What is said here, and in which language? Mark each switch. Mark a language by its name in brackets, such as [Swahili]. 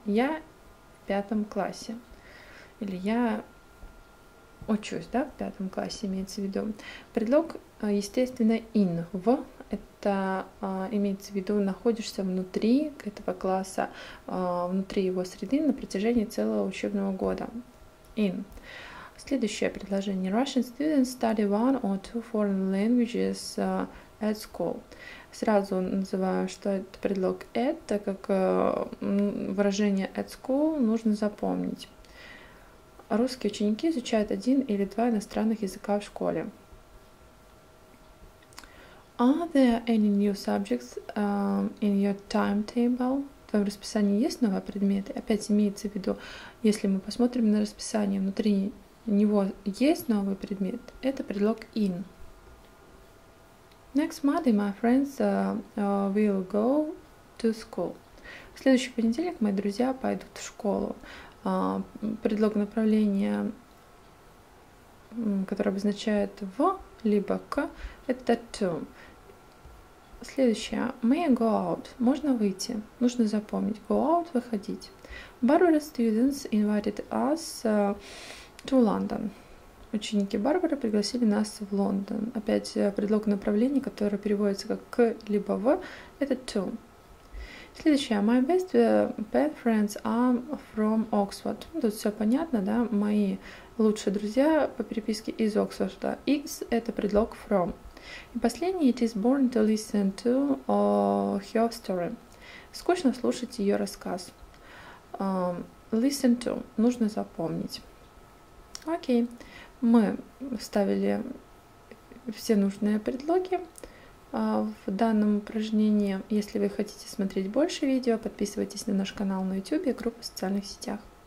[Russian] Я в пятом классе. Или я учусь, да, в пятом классе имеется в виду. Предлог, естественно, in, в. Это имеется в виду, находишься внутри этого класса, внутри его среды на протяжении целого учебного года. [English] In. [Russian] Следующее предложение. [English] Russian students study one or two foreign languages at school. [Russian] Сразу называю, что это предлог at, так как выражение [English] at school [Russian] нужно запомнить. Русские ученики изучают один или два иностранных языка в школе. [English] Are there any new subjects in your timetable? [Russian] В твоем расписании есть новые предметы? Опять имеется в виду, если мы посмотрим на расписание, внутри него есть новый предмет, это предлог in. [English] Next Monday my friends will go to school. [Russian] В следующий понедельник мои друзья пойдут в школу. Предлог направления, который обозначает в, либо к, это to. Следующее. [English] May I go out? [Russian] Можно выйти. Нужно запомнить. [English] Go out – [Russian] выходить. [English] Barbara students invited us to London. [Russian] Ученики Барбары пригласили нас в Лондон. Опять предлог направления, который переводится как к, либо в, это to. Следующее. [English] My best pet friends are from Oxford. [Russian] Тут все понятно, да? Мои лучшие друзья по переписке из Оксфорда. X – это предлог from. И последнее. [English] It is boring to listen to her story. [Russian] Скучно слушать ее рассказ. [English] Listen to. [Russian] Нужно запомнить. Окей. Мы вставили все нужные предлоги в данном упражнении. Если вы хотите смотреть больше видео, подписывайтесь на наш канал на YouTube и группу в социальных сетях.